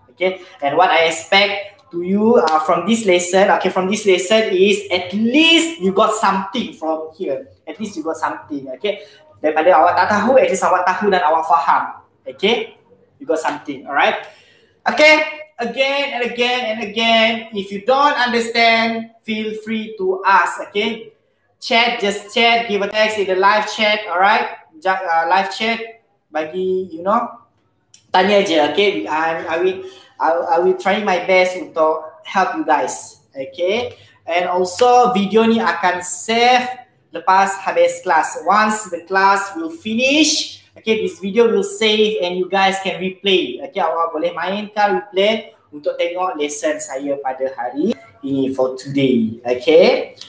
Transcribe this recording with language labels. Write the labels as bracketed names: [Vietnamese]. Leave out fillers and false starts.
[English] Okay, and what I expect to you from this lesson, okay, from this lesson is at least you got something from here. At least you got something, okay. [Malay] Daripada awak tak tahu, [English] at least [Malay] awak tahu dan awak faham. [English] Okay, you got something, alright. Okay, again and again and again, if you don't understand, feel free to ask, okay. Chat, just chat, give a text in the live chat, alright. Live chat, [Malay] bagi, [English] you know, [Malay] tanya je, [English] okay. I will try my best [Malay] untuk [English] help you guys, okay. And also, [Malay] video ni akan save lepas habis kelas. [English] Once the class will finish, okay, this video will save and you guys can replay. [Malay] Okay, awak boleh mainkan replay untuk tengok lesson saya pada hari ini [English] for today, okay.